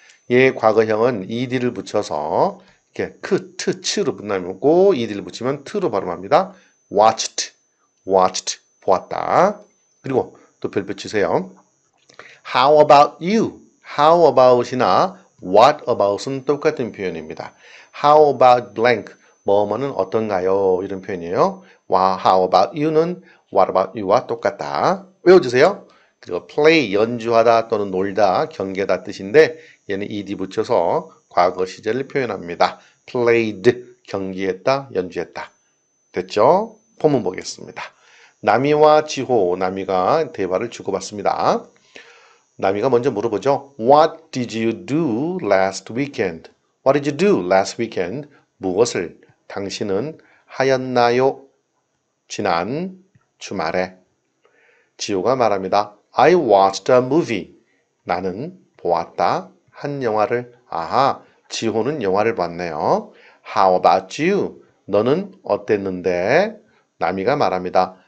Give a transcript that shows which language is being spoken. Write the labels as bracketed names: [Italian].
[Korean] 얘 과거형은 ed를 붙여서 이렇게 크, 트, 츠로 붙나면 고, 이디를 붙이면 트로 발음합니다. watched, 보았다. 그리고 또 별표 치세요. [English] How about you? [Korean] How about이나 what about은 똑같은 표현입니다. [English] How about blank? [Korean] 뭐뭐는 어떤가요? 이런 표현이에요. How about you는 what about you와 똑같다. 외워주세요. 그리고 play, 연주하다 또는 놀다, 경계다 뜻인데 얘는 ed 붙여서 과거 시제를 표현합니다. played, 경기했다, 연주했다. 됐죠? 본문 보겠습니다. 나미와 지호, 나미가 대화를 주고받습니다. 나미가 먼저 물어보죠. [English] What did you do last weekend? What did you do last weekend? [Korean] 무엇을 당신은 하였나요? 지난 주말에. 지호가 말합니다. [English] I watched a movie. [Korean] 나는 보았다. 한 영화를. 아하, 지호는 영화를 봤네요. [English] How about you? [Korean] 너는 어땠는데? 나미가 말합니다.